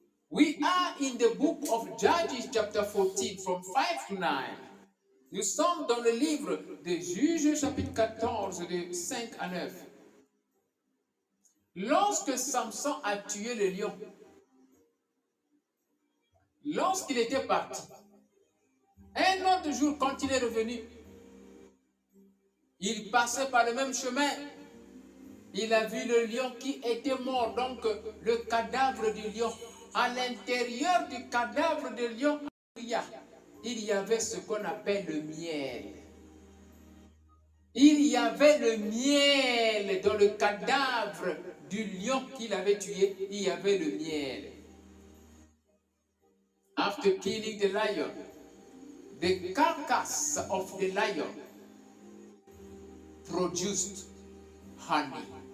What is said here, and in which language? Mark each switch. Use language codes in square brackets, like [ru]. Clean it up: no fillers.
[en] We are in the book of Judges, chapter 14, from 5 to 9. [fr] Nous sommes dans le livre de Juges, chapitre 14, de 5 à 9. Lorsque Samson a tué le lion, lorsqu'il était parti, un autre jour, quand il est revenu, il passait par le même chemin. Il a vu le lion qui était mort, donc le cadavre du lion. À l'intérieur du cadavre du lion, il y avait ce qu'on appelle le miel. Il y avait le miel dans le cadavre du lion qu'il avait tué. Il y avait le miel. [en] After killing the lion, the carcass of the lion produced honey.